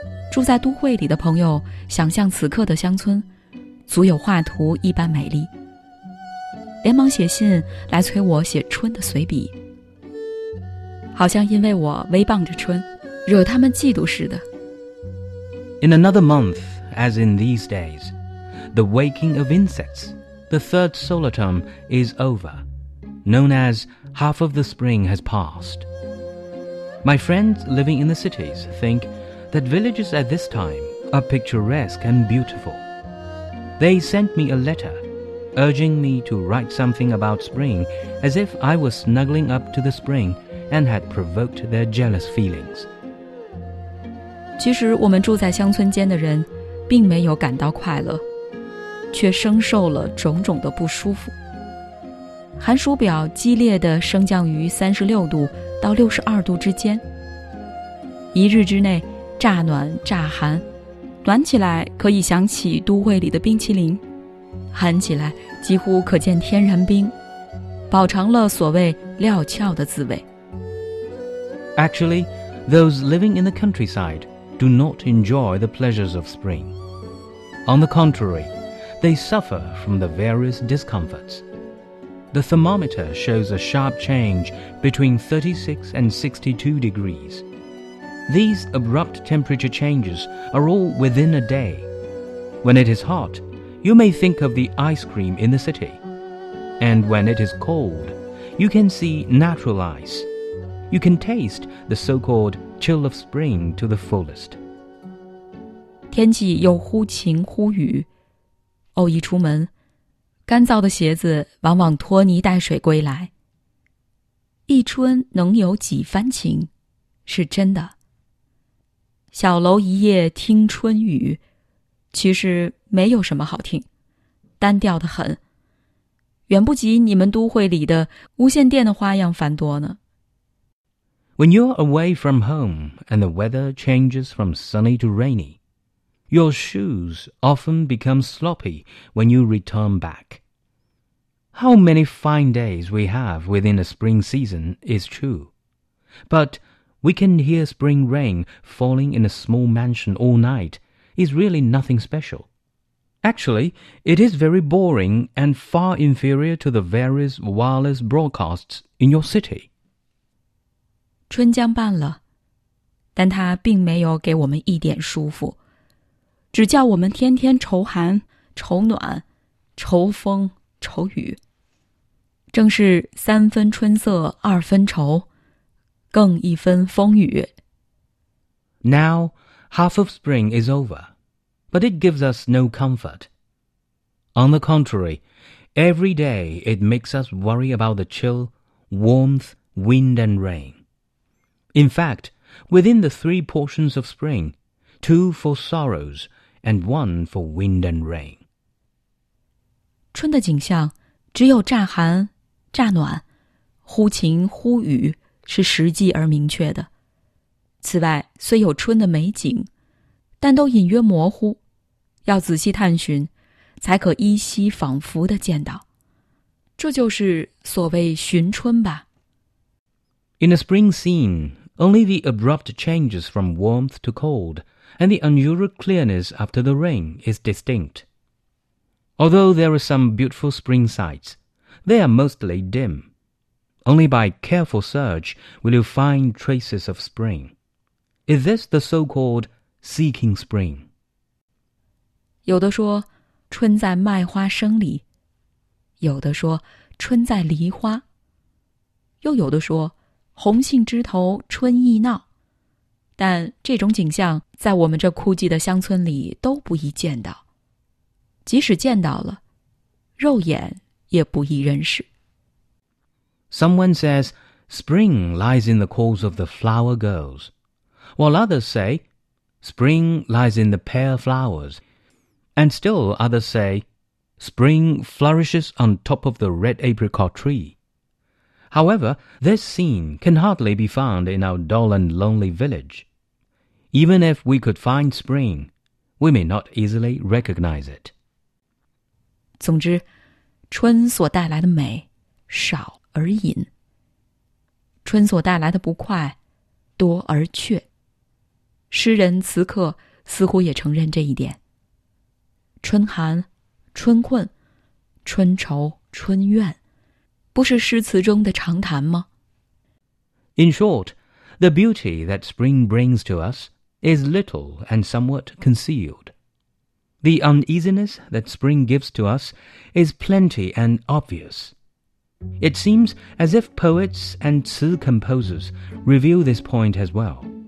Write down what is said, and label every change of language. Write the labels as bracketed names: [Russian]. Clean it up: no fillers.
[Chinese] 住在都会里的朋友想象此刻的乡村，足有画图一般美丽，连忙写信来催我写春的随笔，好像因为我威傍着春，惹他们嫉妒似的。 [English] In another month, as in these days, the waking of insectsThe third solar term is over, known as half of the spring has passed. My friends living in the cities think that villages at this time are picturesque and beautiful. They sent me a letter, urging me to write something about spring as if I was snuggling up to the spring and had provoked their jealous feelings. [Chinese] 其实我们住在乡村间的人并没有感到快乐，却生受了种种的不舒服。寒暑表激烈地升降于36度到62度之间，一日之内乍暖乍寒，暖起来可以想起都会里的冰淇淋，寒起来几乎可见天然冰，饱尝了所谓料峭的滋味。 [English] Actually, those living in the countryside do not enjoy the pleasures of spring. On the contrary,They suffer from the various discomforts. The thermometer shows a sharp change between 36 and 62 degrees. These abrupt temperature changes are all within a day. When it is hot, you may think of the ice cream in the city. And when it is cold, you can see natural ice. You can taste the so-called chill of spring to the fullest. [Chinese] 天气又忽晴忽雨，偶一出门，干燥的鞋子往往拖泥带水归来。一春能有几番晴，是真的。小楼一夜听春雨，其实没有什么好听，单调得很，远不及你们都会里的无线电的花样繁多呢。 [English] When you're away from home and the weather changes from sunny to rainy,Your shoes often become sloppy when you return back. How many fine days we have within a spring season is true. But we can hear spring rain falling in a small mansion all night is really nothing special. Actually, it is very boring and far inferior to the various wireless broadcasts in your city. [Chinese] 春将半了，但它并没有给我们一点舒服。只叫我们天天愁寒、愁暖、愁风、愁雨。正是三分春色，二分愁，更一分风雨。 [English] Now, half of spring is over. but it gives us no comfort. On the contrary, every day it makes us worry about the chill, warmth, wind and rain. In fact, within the three portions of spring, two for sorrows and one for wind and rain. [Chinese] 春的景象只有乍寒乍暖忽晴忽雨是实际而明确的。此外虽有春的美景但都隐约模糊要仔细探寻才可依稀仿佛地见到。这就是所谓寻春吧。 [English] In a spring scene, only the abrupt changes from warmth to cold and the unusual clearness after the rain is distinct. Although there are some beautiful spring sights, they are mostly dim. Only by careful search will you find traces of spring. Is this the so-called seeking spring? [Chinese] 有的说春在麦花生里，有的说春在梨花，又有的说红杏枝头春意闹，但这种景象在我们这枯寂的乡村里都不易见到，即使见到了，肉眼也不易认识。 [English] Someone says spring lies in the calls of the flower girls, while others say spring lies in the pale flowers, and still others say spring flourishes on top of the red apricot tree. However, this scene can hardly be found in our dull and lonely village. Even if we could find spring, we may not easily recognize it. [Chinese] 总之，春所带来的美少而隐，春所带来的不快多而却。诗人此刻似乎也承认这一点。春寒、春困、春愁、春怨，不是诗词中的常谈吗？ [English] In short, the beauty that spring brings to us is little and somewhat concealed. The uneasiness that spring gives to us is plenty and obvious. It seems as if poets and 词 composers reveal this point as well.